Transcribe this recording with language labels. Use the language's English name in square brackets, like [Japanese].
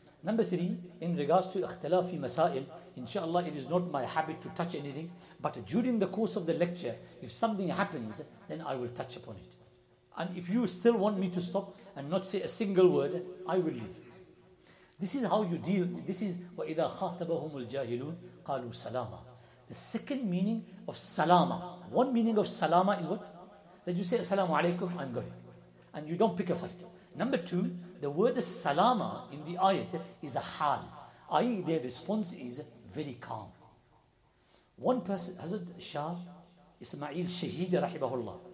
[English] Number three, in regards to ikhtilafi masail, inshallah, it is not my habit to touch anything, but during the course of the lecture, if something happens, then I will touch upon it. And if you still want me to stop and not say a single word, I will leave. This is how you deal. [Arabic] This is وَإِذَا خَاتَبَهُمُ الْجَاهِلُونَ قَالُوا سَلَامًا. [English] The second meaning of salama. One meaning of salama is what? That you say, assalamu alaikum, I'm going. And you don't pick a fight. Number two, the word salama in the ayat is a hal. I.e. their response is very calm. One person, Hazrat Shah Ismail Shaheed rahimahullah.